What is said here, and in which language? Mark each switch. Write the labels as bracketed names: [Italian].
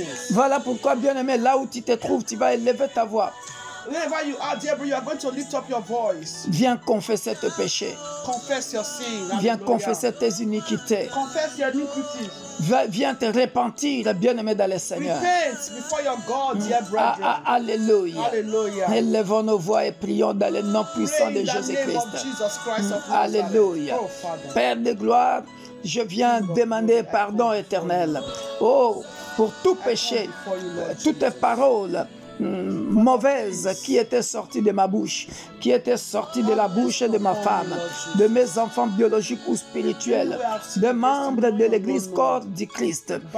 [French] Voilà pourquoi, bien-aimés, là où tu te trouves, tu vas élever ta voix. [English] Wherever you are, dear brother, you are going to lift up your voice. [French] Viens confesser tes péchés. [English] Confess your sins. [French] Viens confesser tes iniquités. [English] Confess your iniquities. [French] Viens te repentir, bien-aimé dans le Seigneur. [English] Repent before your God, dear brother. [French] Alléluia. Élevons nos voix et prions dans le nom puissant de Jésus-Christ. Alléluia. Père de gloire, je viens demander pardon éternel. Oh, pour tout péché, toutes tes paroles mauvaise qui était sortie de ma bouche, qui était sortie de la bouche de ma femme, de mes enfants biologiques ou spirituels, de membres de l'Église corps du Christ.